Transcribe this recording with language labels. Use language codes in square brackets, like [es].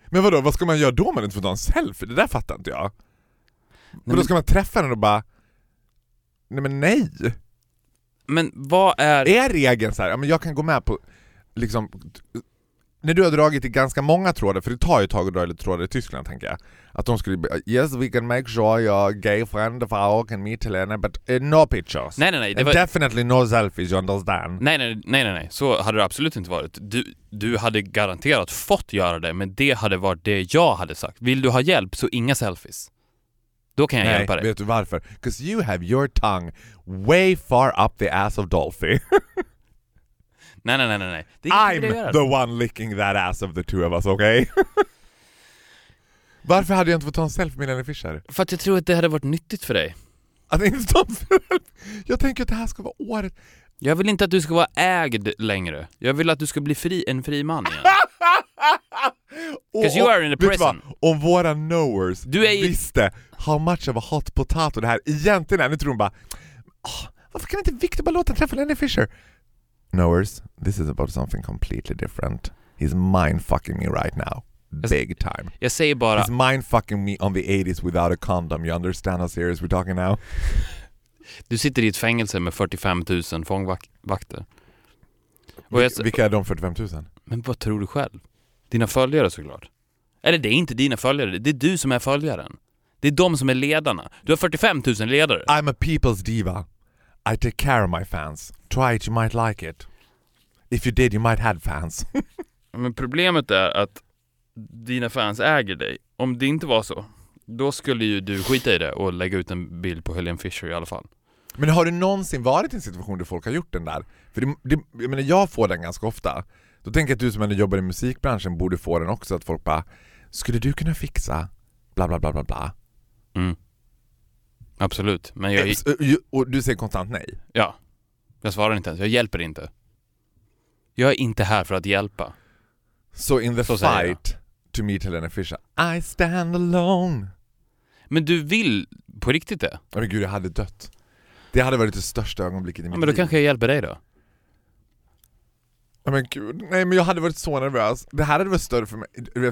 [sv] Men vadå, vad ska man göra då om man inte får ta en selfie? Det där fattar inte jag. Men då ska man träffa den och bara, nej men nej. Men vad är... Är regeln så här, jag kan gå med på liksom... När du har dragit i ganska många trådar, för det tar ju ett tag att dra lite trådar i Tyskland, tänker jag. Att de skulle, [en] yes, we can make sure your gay friend of our can meet Helene, but no pictures. [sv] Nej, nej, nej. Det var... [en] Definitely no selfies, you understand. [sv] Nej, nej, nej, nej, nej. Så hade det absolut inte varit. Du hade garanterat fått göra det, men det hade varit det jag hade sagt. Vill du ha hjälp, så inga selfies. Då kan jag nej, hjälpa dig. Nej, vet du varför? [en] Because you have your tongue way far up the ass of Dolphy. [sv] Nej, nej, nej, nej. [en] Det I'm the one licking that ass of the two of us, okay? [sv] Varför hade jag inte fått ta en selfie med Helene Fischer? För att jag tror att det hade varit nyttigt för dig. Att inte ta en selfie? Jag tänker att det här ska vara året. Jag vill inte att du ska vara ägd längre. Jag vill att du ska bli fri, en fri man igen. [en] Because you are in a prison. [sv] Om våra knowers visste [en] how much of a hot potato [sv] det här egentligen är. Nu tror hon bara, varför kan inte Victor bara låta träffa Helene Fischer? [en] Knowers, this is about something completely different. He's mindfucking me right now. Big time. [sv] Jag säger bara... [en] He's mindfucking me on the 80s without a condom. You understand how serious we're talking now? [sv] Du sitter i ett fängelse med 45 000 fångvakter. Vilka är de 45 000? Men vad tror du själv? Dina följare såklart. Eller det är inte dina följare. Det är du som är följaren. Det är de som är ledarna. Du har 45 000 ledare. [en] I'm a people's diva. I take care of my fans. Try it, you might like it. If you did, you might have fans. [sv] Men problemet är att dina fans äger dig. Om det inte var så, då skulle ju du skita i det och lägga ut en bild på Helene Fischer i alla fall. Men har du någonsin varit i en situation där folk har gjort den där? För jag menar, jag får den ganska ofta. Då tänker jag att du som ändå jobbar i musikbranschen borde få den också. Att folk bara, skulle du kunna fixa bla bla bla bla bla? Mm. Absolut. Men jag... Och du säger konstant nej? Ja. Jag svarar inte ens. Jag hjälper inte. Jag är inte här för att hjälpa. [en] So in the så fight to meet Helene Fischer, I stand alone. [sv] Men du vill på riktigt det? Men gud, jag hade dött. Det hade varit det största ögonblicket i mitt liv. Men då kanske jag hjälper dig då? Men gud, nej, men jag hade varit så nervös. Det här hade varit större för mig.